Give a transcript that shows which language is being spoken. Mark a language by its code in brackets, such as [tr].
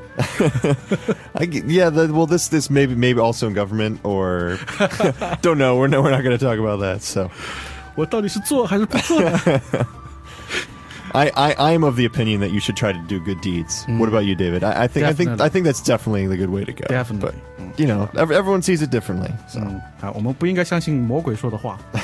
[en] this maybe also in government or don't know. We're not going to talk about that. So, [zh] 我到底是做还是不做呢? [en] I am of the opinion that you should try to do good deeds. What about you, David? I think that's definitely the good way to go. Definitely, but, you know, everyone sees it differently. So, [zh] 我们不应该相信魔鬼说的话.